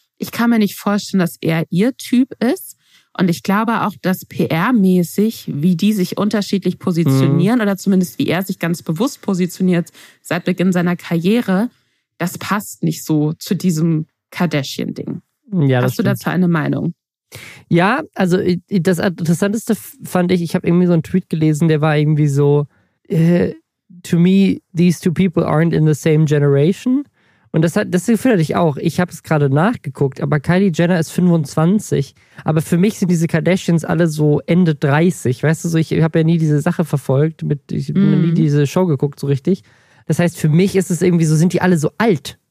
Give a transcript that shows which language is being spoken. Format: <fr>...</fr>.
<de>Ich kann mir nicht vorstellen, dass er ihr Typ ist. Und ich glaube auch, dass PR-mäßig, wie die sich unterschiedlich positionieren oder zumindest wie er sich ganz bewusst positioniert seit Beginn seiner Karriere, das passt nicht so zu diesem Kardashian-Ding. Ja, hast du dazu eine Meinung? Ja, also das Interessanteste fand ich, ich habe irgendwie so einen Tweet gelesen, der war irgendwie so,</de> <en>to me, these two people aren't in the same generation.</en> <de>Und das Gefühl hatte ich auch. Ich habe es gerade nachgeguckt, aber Kylie Jenner ist 25. Aber für mich sind diese Kardashians alle so Ende 30. Weißt du, so ich habe ja nie diese Sache verfolgt, nie diese Show geguckt so richtig. Das heißt, für mich ist es irgendwie so, sind die alle so alt.</de>